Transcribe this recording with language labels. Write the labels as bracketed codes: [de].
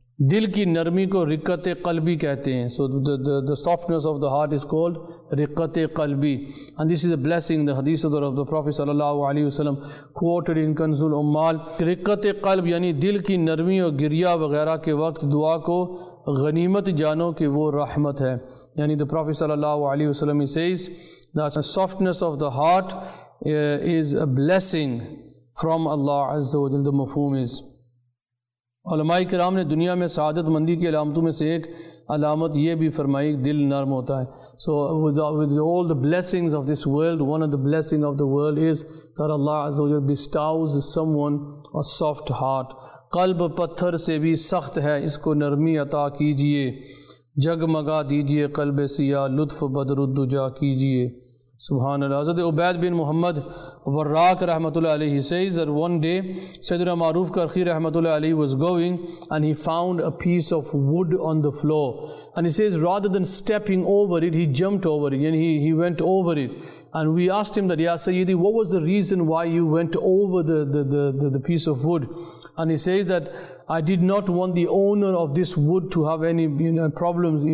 [ur] دل کی نرمی کو رقت قلبی کہتے ہیں. [en] So the softness of the heart is called رقت قلبی, and this is a blessing. The hadith of the Prophet [ur] صلی اللہ علیہ وسلم [en] quoted in [ur] کنز العمال, رقت قلب یعنی دل کی نرمی اور گریہ وغیرہ کے وقت دعا کو غنیمت جانو کہ وہ رحمت ہے. [en] یعنی the Prophet صلی اللہ علیہ وسلم says that the softness of the heart is a blessing from Allah عز و جل. [ur] The مفہوم is, علماء کرام نے دنیا میں سعادت مندی کی علامتوں میں سے ایک علامت یہ بھی فرمائی, دل نرم ہوتا ہے. [en] So with all the blessings of this world, one of the blessing of the world is that Allah عز و جل bestows someone a soft heart. [ur] قلب پتھر سے بھی سخت ہے, اس کو نرمی عطا کیجئے, جگمگا دیجئے قلب سیاہ, لطف بدر الدجا کیجئے. سبحان اللہ. [en] حضرت عبید بن محمد وراق رحمۃ اللہ علیہ says that one day سیدنا معروف کرخی رحمۃ اللہ علیہ was going and he found a piece of wood on the floor, and he says rather than stepping over it, he jumped over it, and he went over it, and we asked him that ya sayyidi, what was the reason why you went over the piece of wood, and he says that I did not want the owner of this wood to have any, you know, problems.